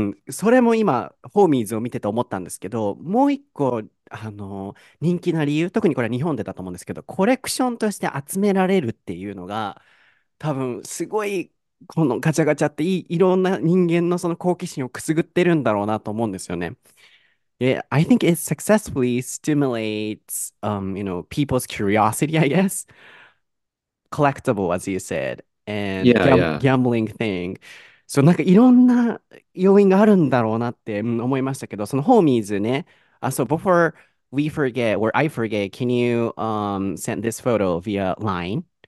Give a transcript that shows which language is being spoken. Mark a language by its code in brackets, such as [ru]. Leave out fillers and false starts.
[ja] それも今、ホーミーズを見てて思ったんですけど、もう一個、人気な理由、特にこれは日本でだと思うんですけど、コレクションとして集められるっていうのが、多分、すごい、このガチャガチャっていろんな人間のその好奇心をくすぐってるんだろうなと思うんですよね。 [en] Yeah, I think it successfully stimulates, people's curiosity, I guess. Collectible, as you said, and Yeah, yeah. gambling thing. [ja] So, なんかいろんな要因があるんだろうなって思いましたけど、そのホーミーズね。 [en] So, before we forget, or I forget, can you, send this photo via LINE?